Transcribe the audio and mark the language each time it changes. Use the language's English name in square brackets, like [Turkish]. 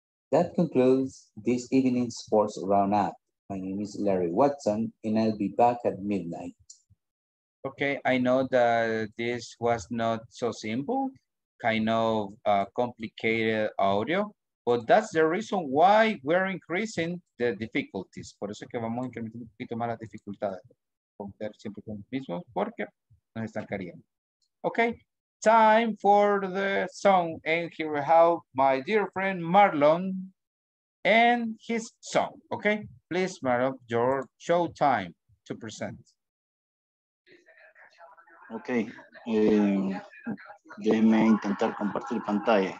[English] That concludes this evening's sports roundup. My name is Larry Watson, and I'll be back at midnight. Okay, I know that this was not so simple, kind of complicated audio, but that's the reason why we're increasing the difficulties. [Spanish] Por eso es que vamos incrementando un poquito más las dificultades. Compar siempre con los mismos porque nos estancarían. [English] Okay, time for the song, and here we have my dear friend Marlon and his song. Okay, please, Marlon, your show time to present. [Spanish] Okay, déjeme intentar compartir pantalla.